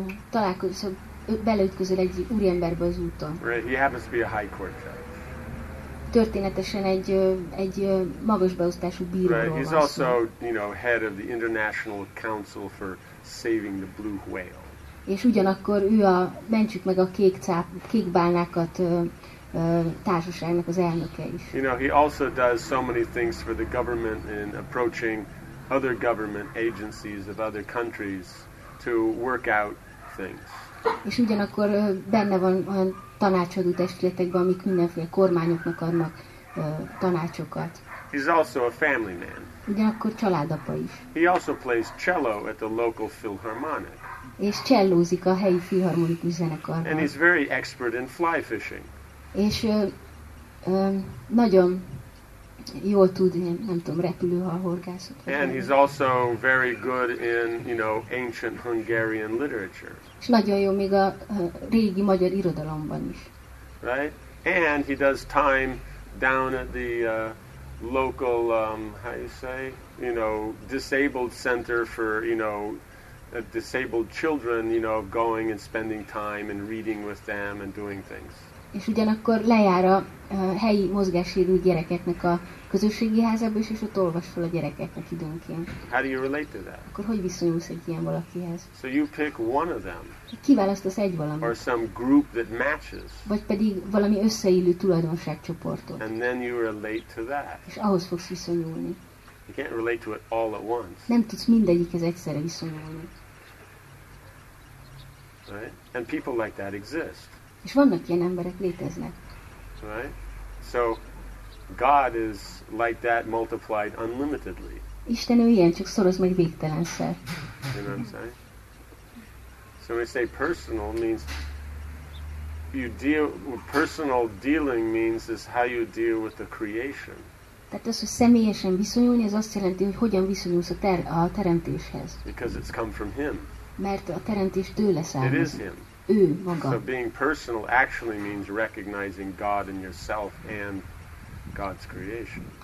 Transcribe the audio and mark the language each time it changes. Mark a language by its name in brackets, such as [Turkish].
[Hungarian] Tehát beleütközöl egy úriemberbe az úton. [English] Right, he happens to be a high court judge. [Hungarian] Történetesen egy magas beosztású bíróról van. [English] He's also, you know, head of the International Council for Saving the Blue Whale. [Hungarian] És ugyanakkor ő a mentsük meg a kék bálnákat társaságnak az elnöke is. [English] You know, he also does so many things for the government in approaching other government agencies of other countries to work out things. [Hungarian] És ugyanakkor benne van olyan tanácsadó testületekben, amik mindenféle kormányoknak adnak tanácsokat. [English] He's also a family man. [Hungarian] Ugyanakkor családapa is. [English] He also plays cello at the local philharmonic. [Hungarian] És cellózik a helyi filharmonikus zenekarban. [English] And he's very expert in fly fishing. [Hungarian] És Nagyon jól tud, nem tudom, repülőhalhorgászat. [English] And he's also very good in, you know, ancient Hungarian literature. [Hungarian] És nagyon jó még a régi magyar irodalomban is. [English] Right? And he does time down at the local, how you say, you know, disabled center for, you know, disabled children, you know, going and spending time and reading with them and doing things. [Hungarian] És ugyanakkor lejár a helyi mozgássérült gyerekeknek a közösségi házába, és ott olvas fel a gyerekeknek időnként. [English] How do you relate to that? [Hungarian] Akkor hogy viszonyulsz egy ilyen valakihez? [English] So you pick one of them. [Hungarian] Kiválasztasz egy valamit. [English] Or some group that matches. [Hungarian] Vagy pedig valami összeillő tulajdonságcsoportot. [English] And then you relate to that. [Hungarian] És ahhoz fogsz viszonyulni. [English] You can't relate to it all at once. [Hungarian] Nem tudsz mindegyikhez egyszerre viszonyulni. [English] Right? And people like that exist. [Hungarian] És vannak ilyen emberek, léteznek. [English] Right? So God is like that multiplied unlimitedly. [Hungarian] Isten olyan, csak szoroz meg végtelenszer. [English] You know what I'm saying? So when we say personal means you deal with personal dealing means is how you deal with the creation. [Hungarian] Tehát az, hogy személyesen viszonyulni, ez azt jelenti, hogy hogyan viszonyulsz a teremtéshez. [English] Because it's come from him. [Hungarian] Mert a teremtés tőle származik. [English] It is him. [Hungarian] Ő maga. [English] So being personal actually means recognizing God in yourself and God's creation.